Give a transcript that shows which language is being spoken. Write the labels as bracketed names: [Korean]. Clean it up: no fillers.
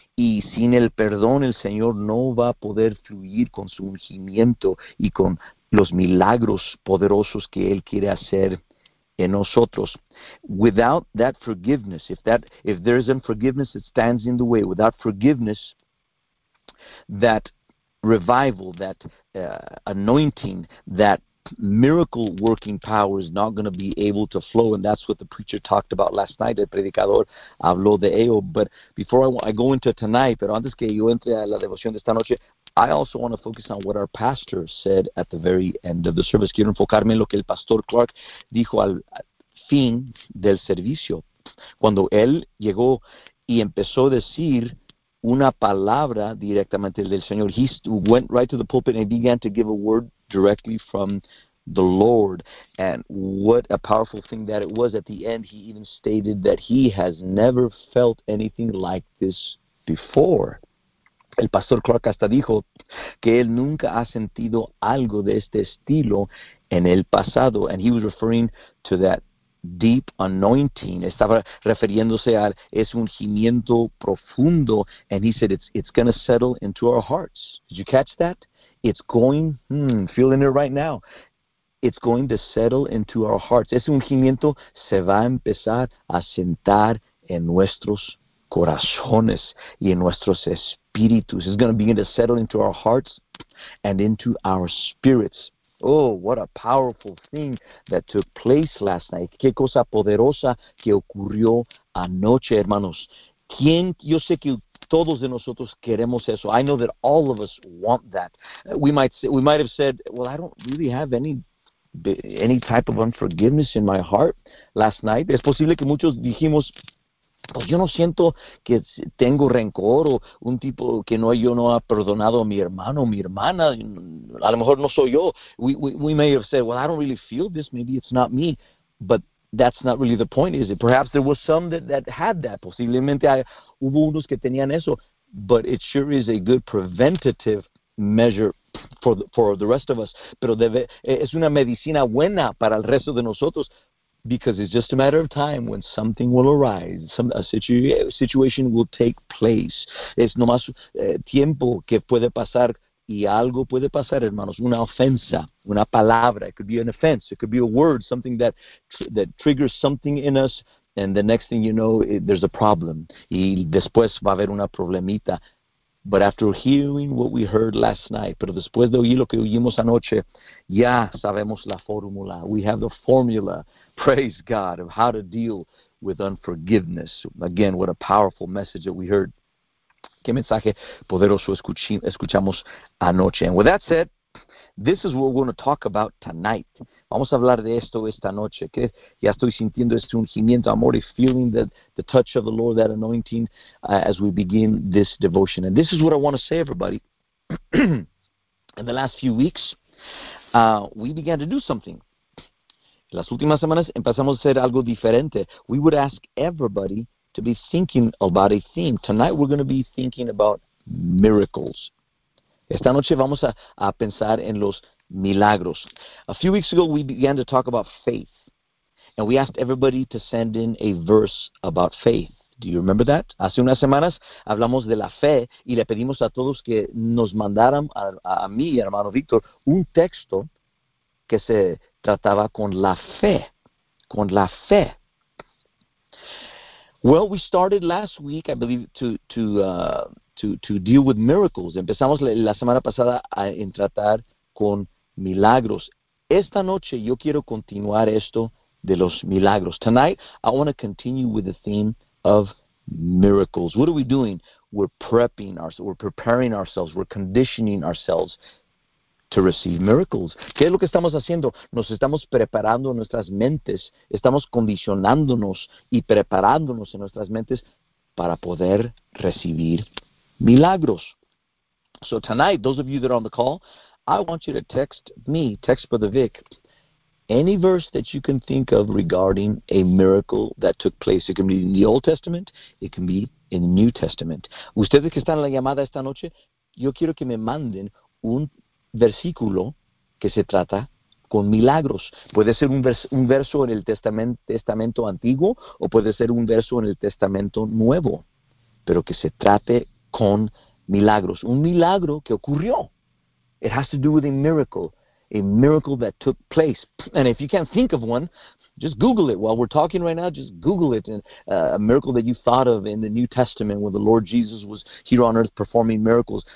[Spanish] Y sin el perdón, el Señor no va a poder fluir con su ungimiento y con los milagros poderosos que Él quiere hacer en nosotros. [English] Without that forgiveness, if there is unforgiveness, it stands in the way. Without forgiveness, that revival, that anointing, that miracle working power is not going to be able to flow. And that's what the preacher talked about last night. [Spanish] El predicador habló de ello. [English] But before I go into tonight, [Spanish] pero antes que yo entre a la devoción de esta noche, [English] I also want to focus on what our pastor said at the very end of the service. [Spanish] Quiero enfocarme en lo que el pastor Clark dijo al fin del servicio. Cuando él llegó y empezó a decir una palabra directamente del Señor, [English] he went right to the pulpit and began to give a word directly from the Lord. And what a powerful thing that it was. At the end, he even stated that he has never felt anything like this before. [Spanish] El pastor Clark hasta dijo que él nunca ha sentido algo de este estilo en el pasado. [English] And he was referring to that deep anointing. [Spanish] Estaba refiriéndose a ese ungimiento profundo. [English] And he said, it's going to settle into our hearts. Did you catch that? It's going, feeling it right now. It's going to settle into our hearts. [Spanish] Ese ungimiento se va a empezar a sentar en nuestros corazones y en nuestros espíritus. [English] It's going to begin to settle into our hearts and into our spirits. Oh, what a powerful thing that took place last night. [Spanish] Qué cosa poderosa que ocurrió anoche, hermanos. Yo sé que todos de nosotros queremos eso. [English] I know that all of us want that. We might have said, well, I don't really have any type of unforgiveness in my heart last night. [Spanish] Es posible que muchos dijimos, pues yo no siento que tengo rencor o un tipo que no, yo no ha perdonado a mi hermano o mi hermana. A lo mejor no soy yo. [English] We may have said, well, I don't really feel this. Maybe it's not me. But that's not really the point, is it? Perhaps there was some that had that. [Spanish] Posiblemente hubo unos que tenían eso. [English] But it sure is a good preventative measure for the rest of us. [Spanish] Pero es una medicina buena para el resto de nosotros. [English] Because it's just a matter of time when something will arise. A situation will take place. [Spanish] Es nomás tiempo que puede pasar y algo puede pasar, hermanos. Una ofensa, una palabra. [English] It could be an offense. It could be a word, something that triggers something in us. And the next thing you know, there's a problem. [Spanish] Y después va a haber una problemita. [English] But after hearing what we heard last night, [Spanish] pero después de oír lo que oímos anoche, ya sabemos la fórmula. [English] We have the formula, praise God, of how to deal with unforgiveness. Again, what a powerful message that we heard. [Spanish] Qué mensaje poderoso escuchamos anoche. [English] And with that said, this is what we're going to talk about tonight. [Spanish] Vamos a hablar de esto esta noche. Que ya estoy sintiendo este ungimiento. [English] I'm already feeling the touch of the Lord, that anointing, as we begin this devotion. And this is what I want to say, everybody. In the last few weeks, we began to do something. [Spanish] Las últimas semanas empezamos a hacer algo diferente. [English] We would ask everybody to be thinking about a theme. Tonight we're going to be thinking about miracles. [Spanish] Esta noche vamos a pensar en los milagros. [English] A few weeks ago, we began to talk about faith. And we asked everybody to send in a verse about faith. Do you remember that? [Spanish] Hace unas semanas hablamos de la fe y le pedimos a todos que nos mandaran, a mí y a hermano Víctor, un texto que se trataba con la fe. Con la fe. [English] Well, we started last week, I believe, to deal with miracles. [Spanish] Empezamos la semana pasada en tratar con milagros. Esta noche yo quiero continuar esto de los milagros. [English] Tonight, I want to continue with the theme of miracles. What are we doing? We're prepping ourselves. We're preparing ourselves. We're conditioning ourselves to receive miracles. [Spanish] ¿Qué es lo que estamos haciendo? Nos estamos preparando nuestras mentes. Estamos condicionándonos y preparándonos en nuestras mentes para poder recibir milagros. [English] So tonight, those of you that are on the call, I want you to text me, text Brother Vic, any verse that you can think of regarding a miracle that took place. It can be in the Old Testament, it can be in the New Testament. [Spanish] Ustedes que están en la llamada esta noche, yo quiero que me manden un versículo que se trata con milagros. Puede ser un verso en el Testamento Antiguo, o puede ser un verso en el Testamento Nuevo, pero que se trate con milagros. Un milagro que ocurrió. [English] It has to do with a miracle that took place. And if you can't think of one, just Google it. While we're talking right now, just Google it. A miracle that you thought of in the New Testament when the Lord Jesus was here on earth performing miracles.